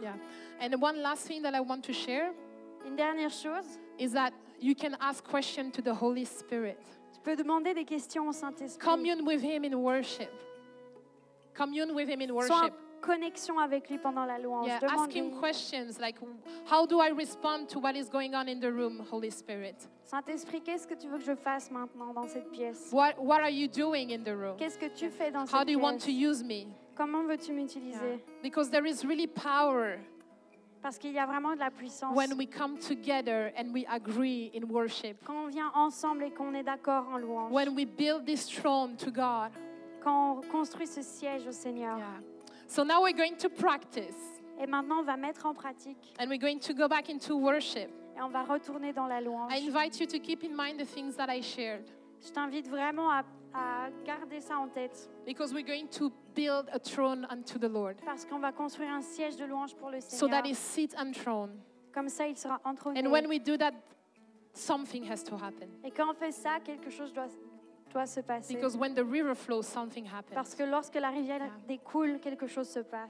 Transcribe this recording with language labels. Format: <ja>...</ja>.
<en>Yeah. And one last thing that I want to share.</en> <fr>Une dernière chose.</fr> <en>Is that you can ask questions to the Holy Spirit.</en> <fr>Tu peux demander des questions au Saint-Esprit.</fr> <en>Commune with Him in worship. Commune with Him in worship.</en> <fr>Sois en connexion avec lui pendant la louange.</fr> <en>Yeah.</en> <fr>Demande-lui.</fr> <en>Ask Him questions like, how do I respond to what is going on in the room, Holy Spirit?</en> <fr>Saint-Esprit, qu'est-ce que tu veux que je fasse maintenant dans cette pièce?</fr> <en>What are you doing in the room?</en> <fr>Qu'est-ce que tu fais dans cette</fr> <en>How</en> <fr>pièce?</fr> <en>Do you want to use me?</en> <fr>Comment veux-tu m'utiliser? Yeah.</fr> <en>Because there is really power.</en> <fr>Parce qu'il y a vraiment de la puissance.</fr> <en>When we come together and we agree in worship.</en> <fr>Quand on vient ensemble et qu'on est d'accord en louange.</fr> <en>When we build this throne to God.</en> <fr>Quand on construit ce siège au Seigneur.</fr> <en>Yeah. So now we're going to practice.</en> <fr>Et maintenant on va mettre en pratique.</fr> <en>And we're going to go back into worship.</en> <fr>Et on va retourner dans la louange.</fr> <en>I invite you to keep in mind the things that I shared.</en> <fr>Je t'invite vraiment à garder ça en tête.</fr> <en>Because we're going to build a throne unto the Lord.</en> <fr>Parce qu'on va construire un siège de louange pour le Seigneur.</fr> <en>So that He sits enthroned.</en> <fr>Comme ça, il sera enthroné.</fr> <en>And when we do that, something has to happen.</en> <fr>Et quand on fait ça, quelque chose doit se passer.</fr> <en>Because when the river flows, something happens.</en> <fr>Parce que lorsque la rivière découle, quelque chose se passe.</fr>